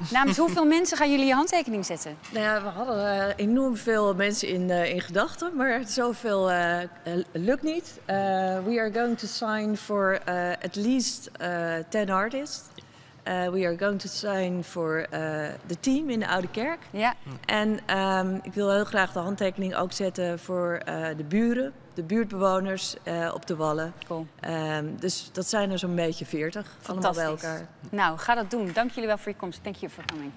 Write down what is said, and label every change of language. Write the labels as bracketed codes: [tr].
[nl] Namens hoeveel mensen gaan jullie je handtekening zetten? Nou ja, we hadden enorm veel mensen in gedachten, maar zoveel lukt niet. [en] We are going to sign for at least 10 artists. We are going to sign for the team in de Oude Kerk. [nl] Ja. En ik wil heel graag de handtekening ook zetten voor de buren, de buurtbewoners op de Wallen. Cool. Dus dat zijn er zo'n beetje 40, allemaal bij elkaar. Nou, ga dat doen. Dank jullie wel voor je komst. [en] Thank you for coming.